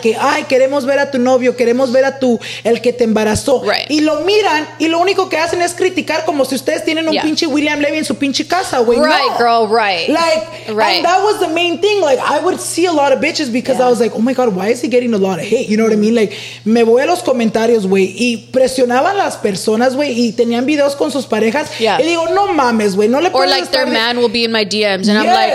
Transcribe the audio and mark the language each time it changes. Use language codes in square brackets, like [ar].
[es] Que, ay, queremos ver a tu novio, queremos ver a tu, el que te embarazó. [en] Right. [es] Y lo miran, y lo único que hacen es criticar como si ustedes tienen un pinche William Levy en su pinche casa, güey. [en] Right, Girl, right. Like, right. And that was the main thing. Like, I would see a lot of bitches because I was like, oh my God, why is he getting a lot of hate? You know what I mean? [es] Like, me voy a los comentarios, güey, y presionaban las personas, güey, y tenían videos con sus parejas. [en] Yeah. [es] Y digo, no mames, güey, no le puedes estar... [en] Or like their man will be in my DMs, and I'm like,